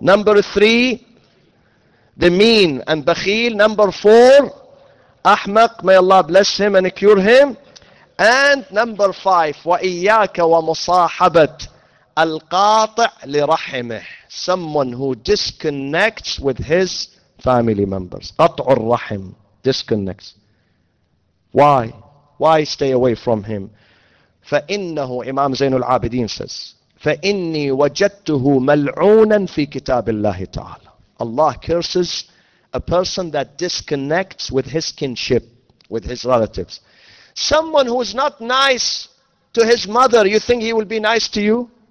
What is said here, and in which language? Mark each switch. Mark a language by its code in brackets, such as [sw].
[en] Number three, the mean and bakhil. Number four, ahmaq, may Allah bless him and cure him. And number five, [ar] وَإِيَّاكَ وَمُصَاحَبَةَ الْقَاطِعِ لِرَحِمِهِ [en] Someone who disconnects with his family members. [ar] قَطْعُ الرَّحِمِ [en] Disconnects. Why? Why stay away from him? [ar] فَإِنَّهُ [en] Imam Zain al-Abideen says, [ar] فَإِنِّي وَجَدْتُهُ مَلْعُونًا فِي كِتَابِ اللَّهِ تَعَالَى [en] Allah curses a person that disconnects with his kinship, with his relatives. Someone who is not nice to his mother, you think he will be nice to you?